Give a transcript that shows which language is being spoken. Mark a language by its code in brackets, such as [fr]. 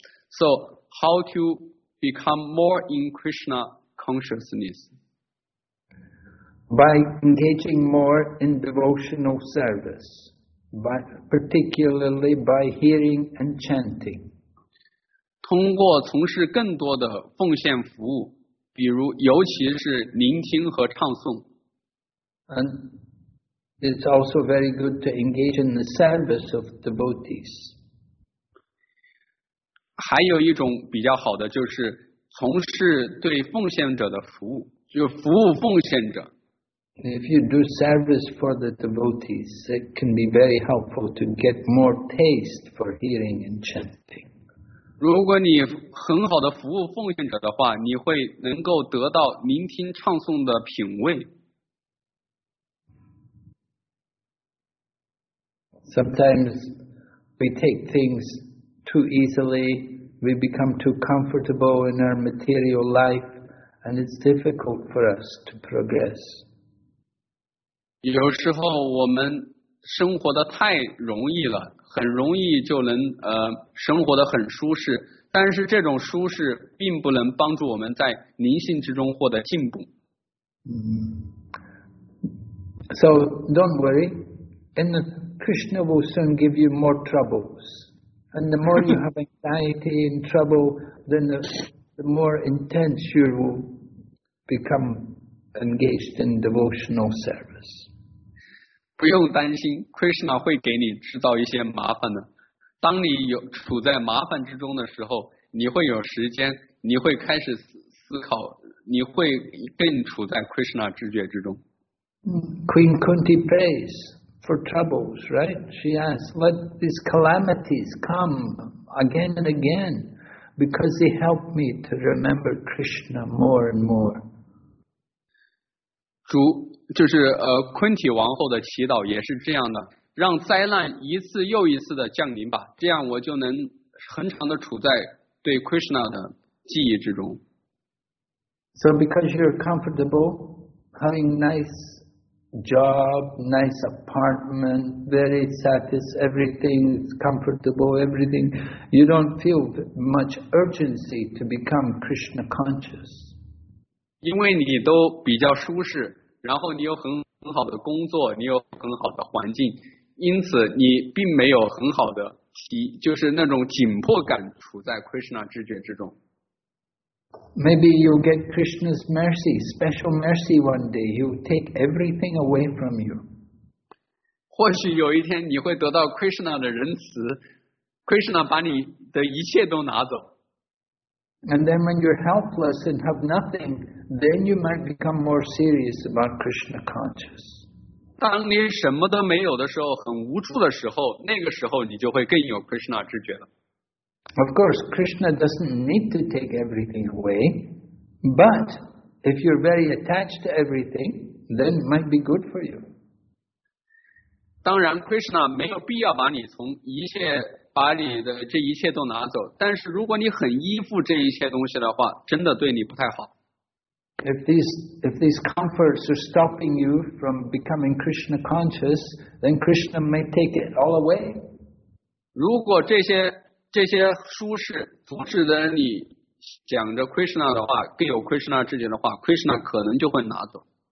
[en] So how to become more in Krishna consciousness? By engaging more in devotional service, particularly by hearing and chanting. [zh] 通过从事更多的奉献服务。比如尤其是聆听和唱诵。 [en] And it's also very good to engage in the service of devotees. [zh] 还有一种比较好的就是从事对奉献者的服务，就服务奉献者。 [en] If you do service for the devotees, it can be very helpful to get more taste for hearing and chanting. [zh] 如果你很好的服务奉献者的话，你会能够得到聆听唱诵的品味。 [en] Sometimes we take things too easily, we become too comfortable in our material life, and it's difficult for us to progress. [zh] 有时候我们生活的太容易了。很容易就能生活得很舒适，但是这种舒适并不能帮助我们在灵性之中获得进步。 [en] So don't worry, and Krishna will soon give you more troubles. And the more you have anxiety and trouble, then the more intense you will become engaged in devotional service. [zh] 不用担心 ，Krishna 会给你制造一些麻烦的。当你有处在麻烦之中的时候，你会有时间，你会开始思考，你会更处在 Krishna 知觉之中。 [en] Queen Kunti prays for troubles, right? She asks, "Let these calamities come again and again, because they help me to remember Krishna more and more." [zh] 主。就是昆体王后的祈祷也是这样的，让灾难一次又一次的降临吧，这样我就能恒常的处在对 Krishna 的记忆之中。 [en] So because you're comfortable, having nice job, nice apartment, very satisfied, everything is comfortable, everything, you don't feel much urgency to become Krishna conscious. [zh] 因为你都比较舒适。然后你有很好的工作，你有很好的环境，因此你并没有很好的就是那种紧迫感处在 Krishna 知觉之中。 [en] Maybe you'll get Krishna's mercy, special mercy one day. He'll take everything away from you. [zh] 或许有一天你会得到 Krishna 的仁慈， Krishna 把你的一切都拿走。 [en] And then when you're helpless and have nothing, then you might become more serious about Krishna conscious. [zh] 当你什么都没有的时候，很无助的时候，那个时候你就会更有 Krishna 知觉了。 [en] Of course, Krishna doesn't need to take everything away, but if you're very attached to everything, then it might be good for you. [zh] 当然 Krishna 没有必要把你从一切把你的这一切都拿走，但是如果你很依附这一切东西的话，真的对你不太好。 [en] If these comforts are stopping you from becoming Krishna conscious, then Krishna may take it all away. [zh] 如果这些舒适阻止的你讲着 Krishna 的话，更有 Krishna 之间的话 ，Krishna 可能就会拿走。